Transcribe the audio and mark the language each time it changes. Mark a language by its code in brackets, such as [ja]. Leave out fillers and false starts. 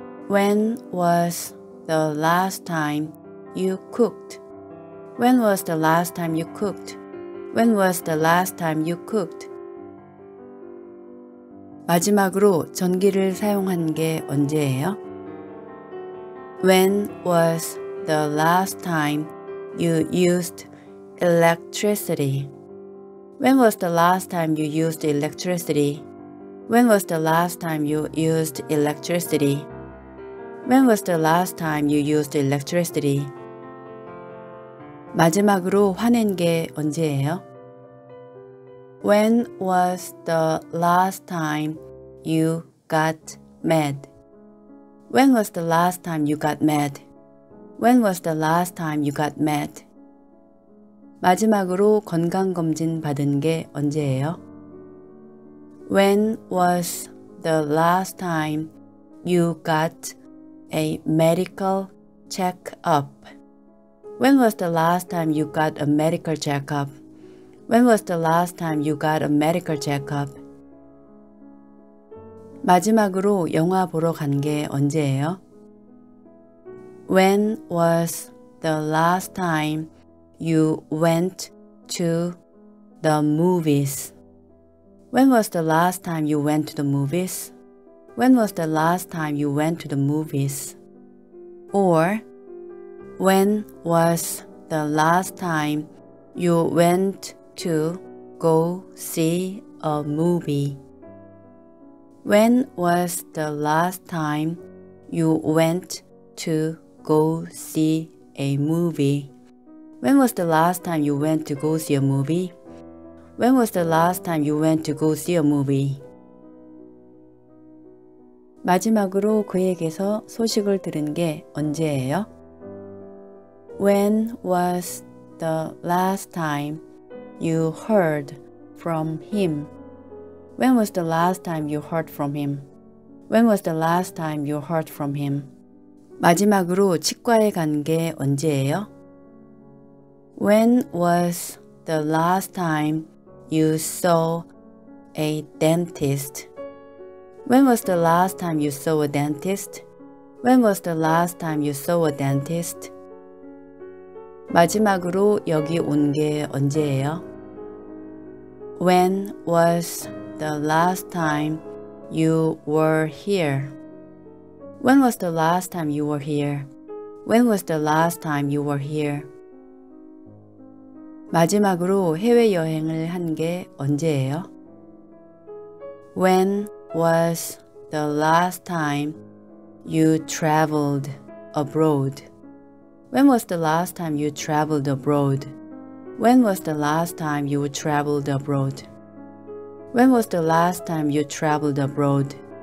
[en] When was the last time you cooked? When was the last time you cooked? When was the last time you cooked? [ko] 마지막으로 전기를 사용한 게 언제예요? [en] When was the last time you used electricity? When was the last time you used electricity? When was the last time you used electricity? When was the last time you used electricity? [ko] 마지막으로 화낸 게 언제예요? [en] When was the last time you got mad? When was the last time you got mad? When was the last time you got mad? [ko] 마지막으로 건강검진 받은 게 언제예요? [en] When was the last time you got a medical check-up? When was the last time you got a medical check-up? When was the last time you got a medical check-up? [ko] 마지막으로 영화 보러 간 게 언제예요? [en] When was the last time you went to the movies? When was the last time you went to the movies? When was the last time you went to the movies? Or, when was the last time you went to go see a movie? When was the last time you went to go see a movie? When was the last time you went to go see a movie? When was the last time you went to go see a movie? [ko] 마지막으로 그에게서 소식을 들은 게 언제예요? [en] When was the last time you heard from him? When was the last time you heard from him? When was the last time you heard from him? [ko] 마지막으로 치과에 간 게 언제예요? [en] When was the last time you saw a dentist? When was the last time you saw a dentist? When was the last time you saw a dentist? [ko] 마지막으로 여기 온 게 언제예요? [en] When was the last time you were here? When was the last time you were here? When was the last time you were here? [ko] 마지막으로 해외여행을 한 게 언제예요? [en] When was the last time you traveled abroad? When was the last time you traveled abroad? When was the last time you traveled abroad? When was the last time you traveled abroad?